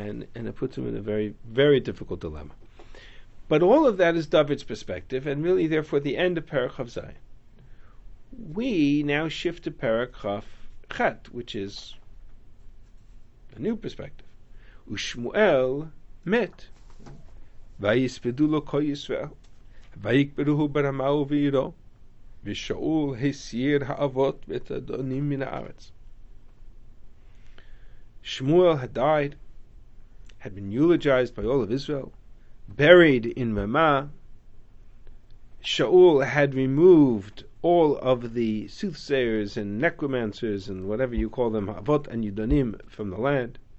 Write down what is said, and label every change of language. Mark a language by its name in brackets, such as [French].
[English] And it puts him in a very, very difficult dilemma. But all of that is David's perspective, and really, therefore, the end of Perek Chav Zayin. We now shift to Perek Chav Chet, which is a new perspective. Ushmuel met. [Hebrew] ויספדו לו כל ישראל, ויקברוהו ברמה ובעירו, ושאול הסיר האבות ואת האדונים מן הארץ. [English] Shmuel had died, had been eulogized by all of Israel, buried in Ramah. Shaul had removed all of the soothsayers and necromancers and whatever you call them, Avot and Yudonim, from the land.